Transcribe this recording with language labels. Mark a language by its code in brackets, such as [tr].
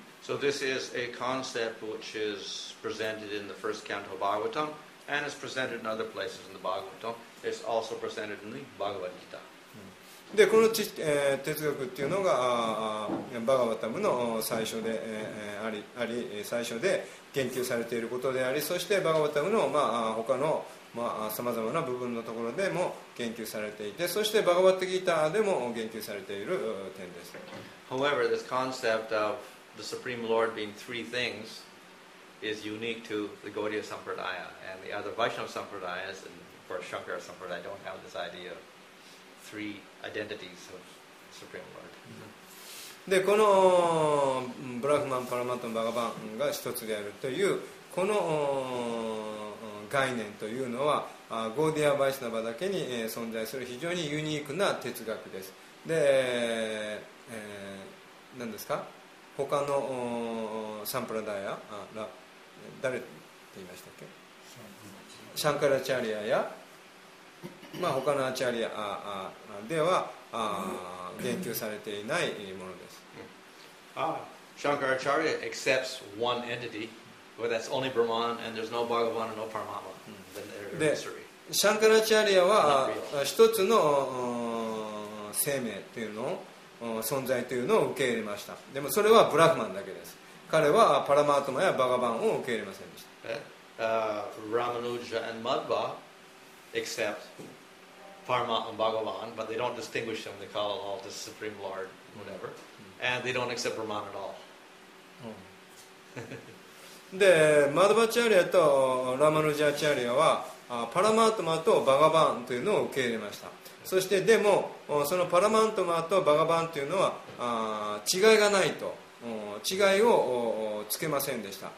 [en] So this is a concept which is presented in the first canto of Bhagavatam and is presented in other places in the Bhagavatam. It's also presented in the Bhagavad Gita. [ja] で、この哲学っていうのがバガバタムの最初で、あり最初で研究されていることであり、そしてバガバタムの、他の、さまざまな部分のところでも研究されていて、そしてバガバタギータでも研究されている点です。 [en] However, this concept ofThe Supreme Lord being three things is unique to the Gaudiya Sampradaya and the other Vaishnava Sampradayas and for Shankara Sampradaya don't have this idea of three identities of the Supreme Lord. [ja] で、このブラフマン、パラマトン、バガバンが一つであるという、この概念というのはゴーディア・バイシナバだけに存在する非常にユニークな哲学です。で、何ですか他のサンプラダイヤ、誰って言いましたっけ、シャンカラチャリアや、まあ、他のアチャリアでは言及されていないものです。 [en] シャンカラチャリア accepts one entity but that's only Brahman and there's no Bhagavan and no Paramatma. [ja] で、シャンカラチャリアは一つの生命というのを存在というのを受け入れました。でもそれはブラフマンだけです。彼はパラマートマやバガバンを受け入れませんでした。 [en] Ramanuja and Madhva accept Parma and Bhagavan, but they don't distinguish them. They call it all the Supreme Lord, whatever. And they don't accept Brahman at all. [ja] で、マドバチャリアとラマヌジャチャリアはパラマートマとバガバンというのを受け入れました。そしてでもそのパラマートマとバガバンというのは違いがないと違いをつけませんでした。